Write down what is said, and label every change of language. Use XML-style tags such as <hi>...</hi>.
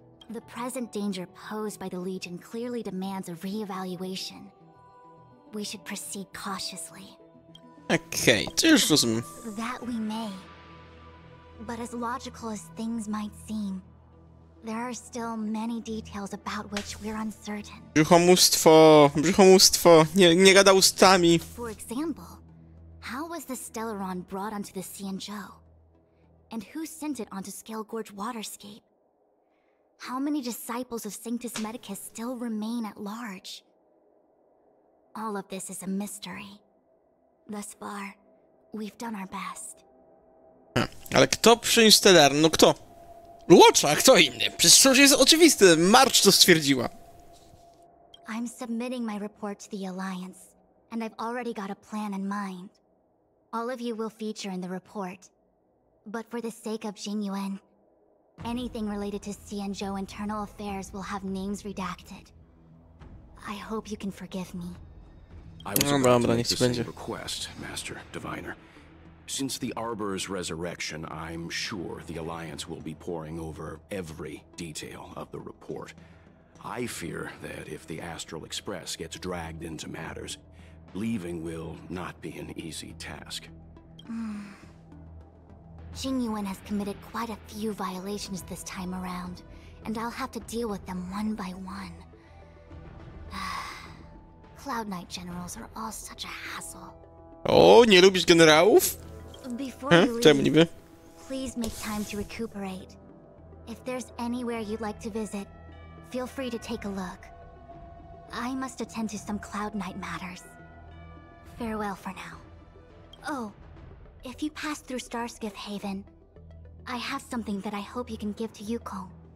<en>The present danger posed by the Legion clearly demands a re-evaluation. We should proceed cautiously.</en> <pl>Okay, to już rozumiem.</pl> <en>That we may. But as logical as things might seem, there are still many details about which we're uncertain.</en> <pl>Brzuchomóstwo, nie gada ustami.</pl> <en>For example, how was the Stellaron brought onto the Xianzhou? And who sent it onto Scale Gorge Waterscape? How many disciples of Sanctus Medicus still remain at large? All of this is a mystery. Thus far, we've done our best.</en> <pl>Ale kto przyniósł Stellaron? No kto? Łocza, kto inny? Przecież to jest oczywiste. March to stwierdziła.</pl> <en>I'm submitting my report to the Alliance, and I've already got a plan in mind. All of you will feature in the report. But for the sake of Jing Yuan, anything related to Xianzhou internal affairs will have names redacted. I hope you can forgive me. I was about to make the same request, Master Diviner. Since the Arbor's resurrection, I'm sure the Alliance will be poring over every detail of the report. I fear that if the Astral Express gets dragged into matters, leaving will not be an easy task. Jing Yuan has committed quite a few violations this time around, and I'll have to deal with them one by one. Cloud Knight generals are all such a hassle.</en> <pl>Oh, nie lubisz generałów?</pl> <en>Before you leave, please make time to recuperate. If there's anywhere you'd like to visit, feel free to take a look. I must attend to some Cloud Knight matters. Farewell for now. Oh, if you pass through Starskiff Haven, I have something that I hope you can give to Yuko.</en>